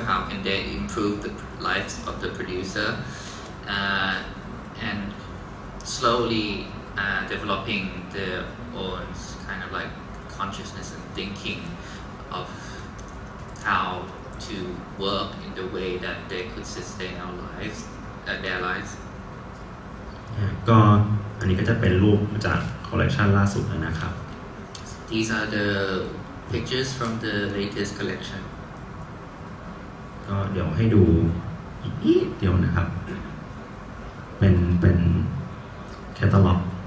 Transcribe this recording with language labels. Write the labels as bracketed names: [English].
[English] How can they improve the lives of the producer and slowly developing theor it's kind of like consciousness and thinking of how to work in the way that they could sustain our lives, their lives. [Thai] ก็อันนี้ก็จะเป็นรูปจากคอลเลคชันล่าสุดนะครับ [English] So These are the pictures from the latest collection. [Thai] ก็เดี๋ยวให้ดูอีกเดี๋ยวนะครับเป็นแคตตาล็อก